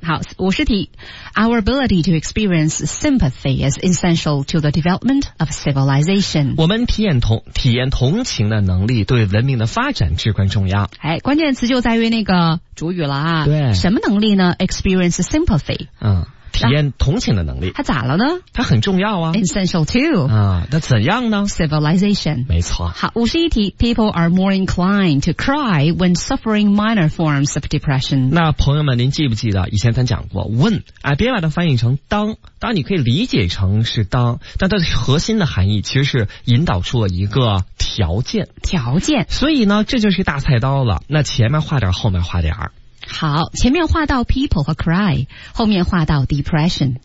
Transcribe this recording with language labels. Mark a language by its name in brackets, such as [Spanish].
[Chinese] 好，50题 [English] Our ability to experience sympathy is essential to the development of civilization。 [Chinese] 我们体验同情的能力对文明的发展至关重要。哎，关键词就在于那个主语了啊。对，什么能力呢？ [English] experience sympathy。 [Chinese] 嗯，体验同情的能力。它咋了呢？它很重要啊。 [English] Essential too。 [Chinese] 啊，那怎样呢？ [English] Civilization。 [Chinese] 没错。好，51题 [English] People are more inclined to cry when suffering minor forms of depression。 [Chinese] 那朋友们，您记不记得以前咱讲过 when？哎，别把它翻译成当，你可以理解成是当，但它核心的含义其实是引导出了一个条件。所以呢，这就是大菜刀了。那前面画点，后面画点。好，前面画到 people 和 cry， 后面画到 depression，